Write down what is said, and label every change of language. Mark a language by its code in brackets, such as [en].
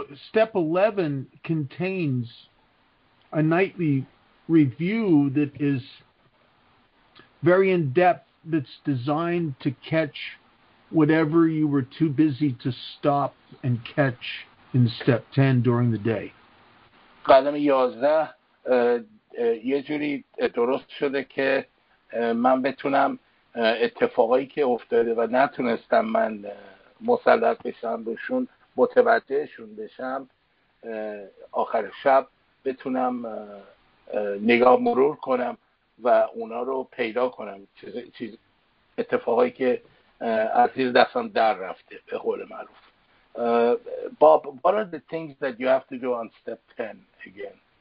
[en] Step 11 contains a nightly review that is very in depth that's designed to catch whatever you were too busy to stop and catch in step 10 during the day. [fa] قدم 11 یه جوری درست شده که من بتونم اتفاقایی که افتاده و نتونستم من مسلط بشم روشون متوجهشون بشم آخر شب بتونم نگاه مرور کنم و اونا رو پیدا کنم چیز اتفاقایی که از زیر دستم در رفته به قول معروف. [en] Bob, what are the things that you have to do on step 10 again?